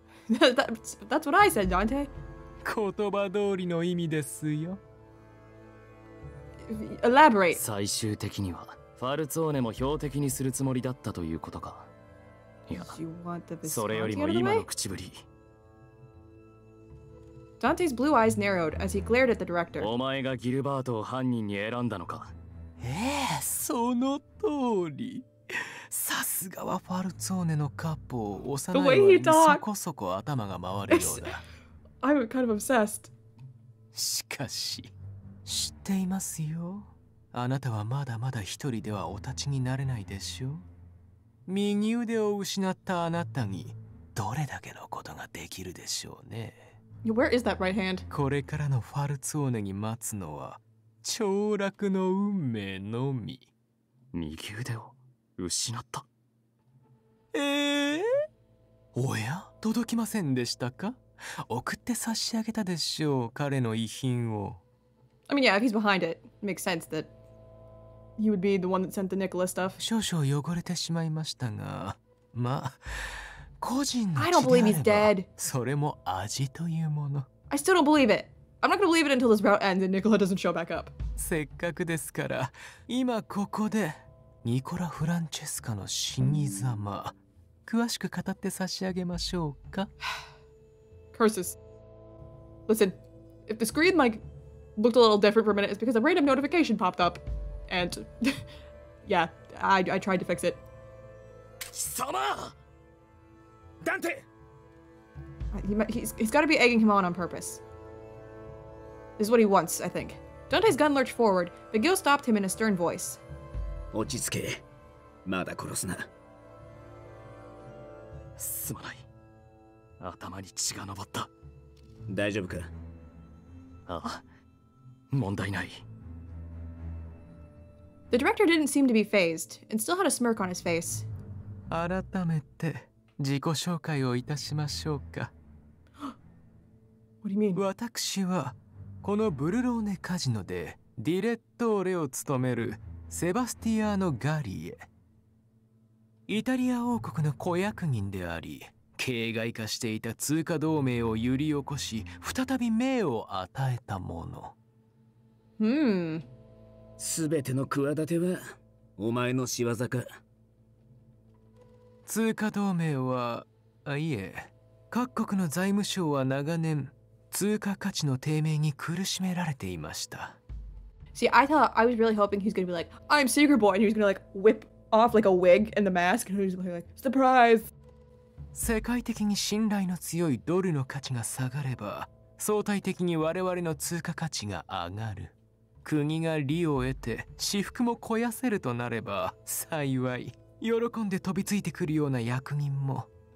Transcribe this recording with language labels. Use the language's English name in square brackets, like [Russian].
[English] That's what I said, Dante. [Japanese] 言葉通りの意味ですよ。 Elaborate. 最終的にはファルツォーネも標的にするつもりだったということか。いや、それよりも今の口ぶり。 [English] Dante's blue eyes narrowed as he glared at the director. [Japanese] お前がギルバートを犯人に選んだのか。ええ、その通り。さすがはファルツォーネのカポ、幼い頃にそこそこ頭が回るようだ。 [English] I'm kind of obsessed. [Japanese] しかし、知っていますよ。あなたはまだまだ一人ではお立ちになれないでしょ。右腕を失ったあなたにどれだけのことができるでしょうね。 [English] Where is that right hand? [Japanese] これからのファルツォーネに待つのは凋落の運命のみ。右腕を失った。おや、届きませんでしたか？送って差し上げたでしょう、彼の遺品を。 [English] I mean, yeah, if he's behind it, it makes sense that he would be the one that sent the Nicholas stuff. [Japanese] 少々汚れてしまいましたが、まあ、個人の血であれば、それも味というもの。 [English] I still don't believe it. I'm not gonna believe it until this route ends and Nicola doesn't show back up. [Japanese] せっかくですから、今ここで。ニコラ・フランチェスカの死に様、詳しく語って差し上げましょうか。 [English] Curses. Listen, if the screen like looked a little different for a minute, it's because a random notification popped up. And yeah, I tried to fix it. [Japanese] 貴様！ダンテ！ [English] He's got to be egging him on purpose. This is what he wants, I think. Dante's gun lurched forward, but Gil stopped him in a stern voice. [Japanese] 落ち着け。まだ殺すな。すまない。頭に血が昇った。大丈夫か？ああ、問題ない。 [English] The director didn't seem to be phased, and still had a smirk on his face. [Japanese] 改めて、自己紹介をいたしましょうか。 [English] What do you mean? [Japanese] 私は、このブルローネカジノで、ディレットーレを務めるセバスティアーノ・ガリエ。イタリア王国の子役人であり、形骸化していた通貨同盟を揺り起こし、再び命を与えたもの。すべての企てはお前の仕業か。通貨同盟は、いえ、各国の財務省は長年通貨価値の低迷に苦しめられていました。 [English] See, I thought I was really hoping he's gonna be like, I'm Secret Boy, and he's gonna like whip off like a wig and the mask, and he's gonna be like, surprise. [Japanese] 世界的に信頼の強いドルの価値が下がれば、相対的に我々の通貨価値が上がる。国が利を得て、私腹も肥やせるとなれば、幸い。喜んで飛びついてくるような役人も。